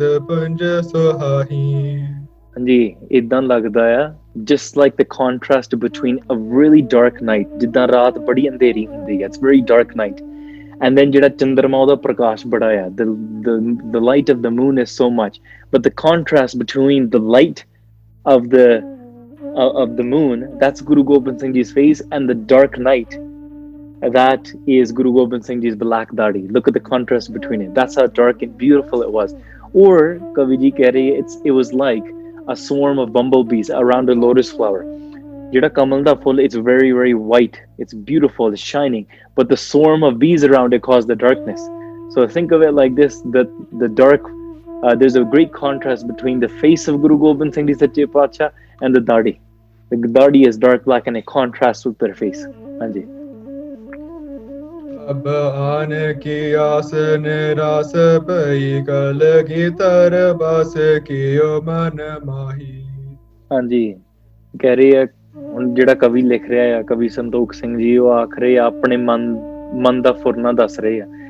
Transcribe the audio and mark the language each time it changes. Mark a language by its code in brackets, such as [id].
[pa] ਹਾਂਜੀ, ਇੱਦਾਂ ਲੱਗਦਾ ਆ [en] just like the contrast between a really dark night, [pa] ਜਿੱਦਾਂ ਰਾਤ ਬੜੀ ਅੰਧੇਰੀ ਹੁੰਦੀ ਹੈ, [en] it's very dark night, and then [pa] ਜਿਹੜਾ ਚੰਦਰਮਾ ਉਹਦਾ ਪ੍ਰਕਾਸ਼ ਬੜਾ ਆ, [en] The light of the moon is so much, but the contrast between the light of the moon, that's Guru Gobind Singh Ji's face, and the dark night, that is Guru Gobind Singh Ji's black daadi. Look at the contrast between it, that's how dark and beautiful it was. [pa] Or Kavi Ji keh rahe, [en] it was like a swarm of bumblebees around a lotus flower. [pa] Jehda kamal da phul, [en] it's very very white, it's beautiful, it's shining, but the swarm of bees around it caused the darkness. So think of it like this, that the dark, there's a great contrast between the face of Guru Gobind Singh Ji Sache Paatshah and the daadi. The daadi is dark black and it contrasts with their face. [pa] Hanji. ਅਬ ਆਨ ਕੀ ਆਸ ਨਿਰਾਸ ਪਈ ਕਲ ਕੀ ਤਰ ਬਸ ਕੀਓ ਮਨ ਮਾਹੀ. ਹਾਂਜੀ, ਕਹਿ ਰਹੇ ਆ ਹੁਣ ਜਿਹੜਾ ਕਵੀ ਲਿਖ ਰਿਹਾ ਆ, ਕਵੀ ਸੰਤੋਖ ਸਿੰਘ ਜੀ, ਉਹ ਆਖ ਰਹੇ ਆ ਆਪਣੇ ਮਨ ਦਾ ਫੁਰਨਾ ਦੱਸ ਰਹੇ ਆ.